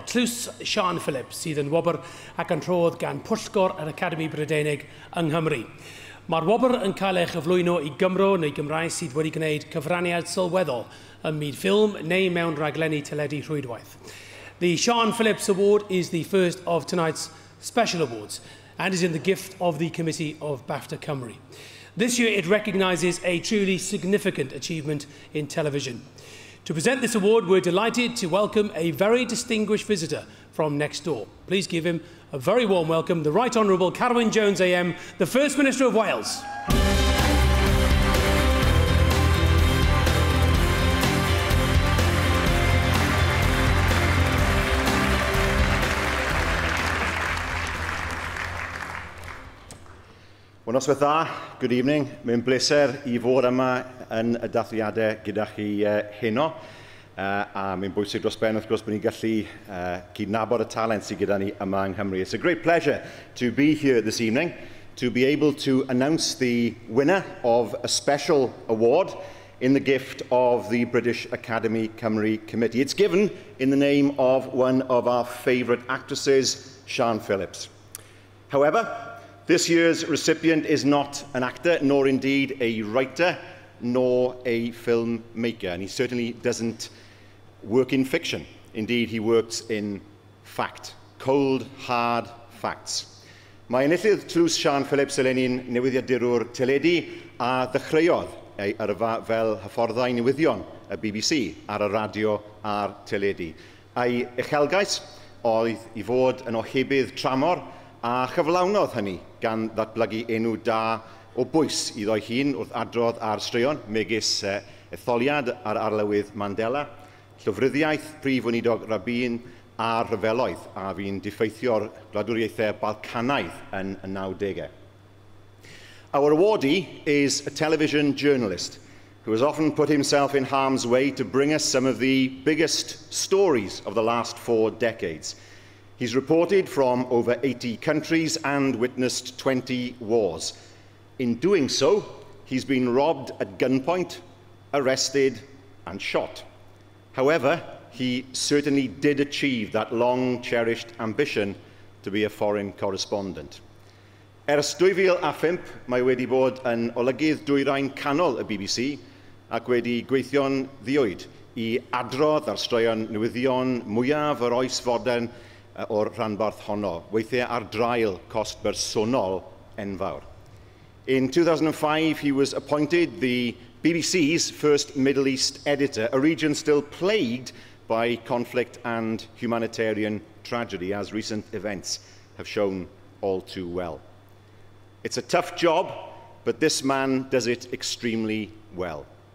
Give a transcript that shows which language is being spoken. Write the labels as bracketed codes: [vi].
[cy] Tlws Sian Phillips sydd yn wobr ac yn rhodd gan Pwllgor yr Academi Brydeinig yng Nghymru. Mae'r wobr yn cael ei chyflwyno i Gymro neu Gymraes sydd wedi gwneud cyfraniad sylweddol ym myd ffilm neu mewn rhaglenni teledu rhwydwaith. [en] The Sian Phillips Award is the first of tonight's special awards and is in the gift of the Committee of BAFTA Cymru. This year it recognises a truly significant achievement in television. To present this award, we're delighted to welcome a very distinguished visitor from next door. Please give him a very warm welcome, the Right Honourable Carwyn Jones AM, the First Minister of Wales. [cy] Noswaith dda, [en] good evening. [cy] Mae'n bleser i fod yma yn y dathliadau gyda chi heno. A mae'n bwysig dros ben, wrth gwrs, bod ni'n gallu cydnabod y talent sydd gyda ni yma yng Nghymru. [en] It's a great pleasure to be here this evening, to be able to announce the winner of a special award in the gift of the British Academy Cymru Committee. It's given in the name of one of our favourite actresses, Sian Phillips. However, this year's recipient is not an actor, nor indeed a writer, nor a filmmaker, and he certainly doesn't work in fiction. Indeed, he works in fact, cold, hard facts. [cy] Mae enillydd Tlws Sian Phillips eleni'n newyddiadurwr teledu a ddechreuodd ei yrfa fel hyfforddai newyddion y BBC ar y radio a'r teledu. Ei uchelgais oedd i fod yn ohebydd tramor a chyflawnodd hynny gan ddatblygu enw da o bwys iddo'i hun wrth adrodd ar straeon, megis etholiad ar arlywydd Mandela, llofryddiaeth prif wneudog Rabin a'r rhyfeloedd, a fi'n diffeithio'r gwladwriaethau Balcanaidd yn y 90au. [en] Our awardee is a television journalist who has often put himself in harm's way to bring us some of the biggest stories of the last four decades. He's reported from over 80 countries and witnessed 20 wars. In doing so, he's been robbed at gunpoint, arrested, and shot. However, he certainly did achieve that long-cherished ambition to be a foreign correspondent. [cy] Ers 2005, mae wedi bod yn olygydd dwyrain canol y BBC ac wedi gweithio'n ddiwyd i adrodd ar straeon newyddion mwyaf yr oes fodern o'r rhanbarth honno, weithiau ar drael cost bersonol enfawr. [en] In 2005, he was appointed the BBC's first Middle East editor, a region still plagued by conflict and humanitarian tragedy, as recent events have shown all too well. It's a tough job, but this man does it extremely well.